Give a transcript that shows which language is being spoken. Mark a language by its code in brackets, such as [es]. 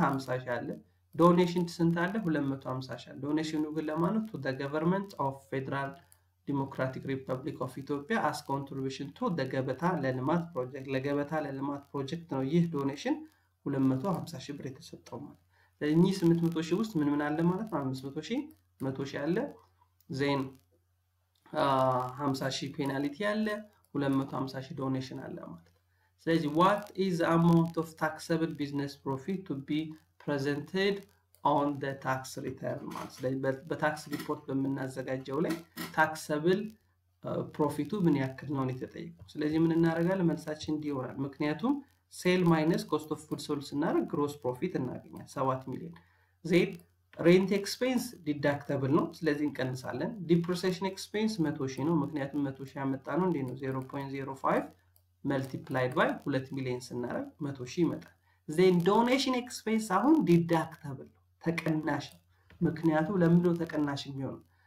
[am] 50 ሺህ አለ። donation ስንት አለ? 250 ሺህ አለ። donation ነው ግን ለማነው? [en] to the government of federal democratic republic of ethiopia as contribution to the gabata [am] ለልማት ፕሮጀክት ነው ይህ donation 250 ሺህ ብር የተሰጠው ማለት። ስለዚህ 800 ሺህ ውስጥ ምን ምን አለ ማለት ነው? 500 ሺህ 100 ሺህ አለ ዘን 50 ሺህ penalty አለ 250 ሺህ donation አለ ማለት። ስለዚህ [en] what is the amount of taxable business profit to be presented on the tax return [am] ማለት። ስለዚህ በtax report በመናዘጋጀው ላይ taxable profitu ምን ያክል ነው የተጠየቀው? ስለዚህ ምን እናረጋለን? መልሳችን እንዲህ ይሆናል። ምክንያቱም [en] sale minus cost of goods sold [am] እናረ gross profit እናገኛለን 7 million ዘን rent expense deductible ነው ስለዚህ እንቀንሳለን። depreciation expense 100 ሺህ ነው ምክንያቱም 100 ሺህ ያመጣ ነው እንዴ ነው [en] 0.05 multiplied by 2 million [am] ስናረ 100 ሺህ ይመጣል። then donation expense አሁን deductible ተቀናሽ ምክንያቱም ለምንድነው ተቀናሽ የሚሆነው?